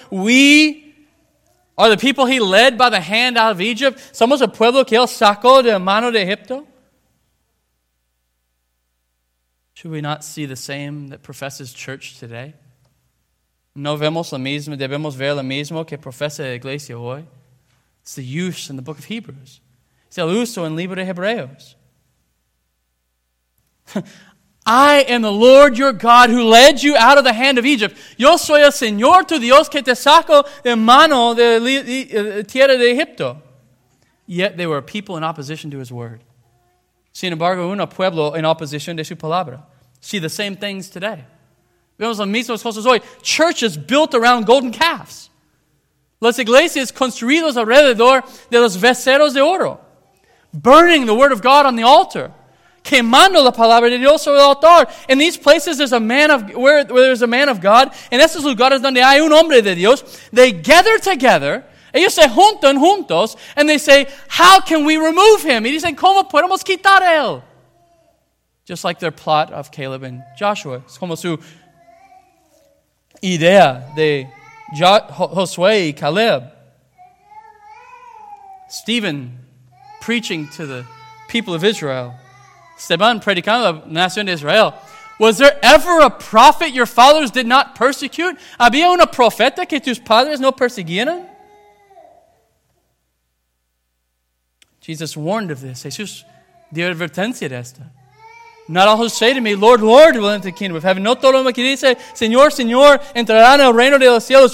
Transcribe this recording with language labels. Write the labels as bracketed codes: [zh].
[en] We are the people He led by the hand out of Egypt. [es] Somos el pueblo que Él sacó de la mano de Egipto. [en] Should we not see the same that professes church today? [es] No vemos lo mismo, debemos ver lo mismo que profesa la iglesia hoy. [en] It's the use in the book of Hebrews. It's [es] el uso en el libro de Hebreos. [en] I am the Lord your God who led you out of the hand of Egypt. [es] Yo soy el Señor tu Dios que te saco de mano de tierra de Egipto. [en] yet they were a people in opposition to his word. [es] Sin embargo, un pueblo en oposición de su palabra. [en] See the same things today. [es] Vemos las mismas cosas hoy. [en] Churches built around golden calves. [es] Las iglesias construidas alrededor de los becerros de oro. [en] Burning the word of God on the altar. [es] Quemando la palabra de Dios sobre el altar. [en] In these places, there's a man of where there's a man of God. [es] En estos lugares donde hay un hombre de Dios, [en] they gather together. [es] Ellos se juntan juntos. [en] And they say, how can we remove him? [es] Y dicen, ¿cómo podemos quitar él? [en] Just like their plot of Caleb and Joshua. [es] Es como su idea de Josué y Caleb. [en] Stephen preaching to the people of Israel. [es] Esteban predicando la nación de Israel. [en] Was there ever a prophet your fathers did not persecute? [es] ¿Había una profeta que tus padres no perseguían? [en] Jesus warned of this. [es] Jesús dio advertencia de esto. [en] Not all who say to me, Lord, Lord, will enter the kingdom of heaven. [es] No todo lo que dice, Señor, Señor, entrarán al reino de los cielos.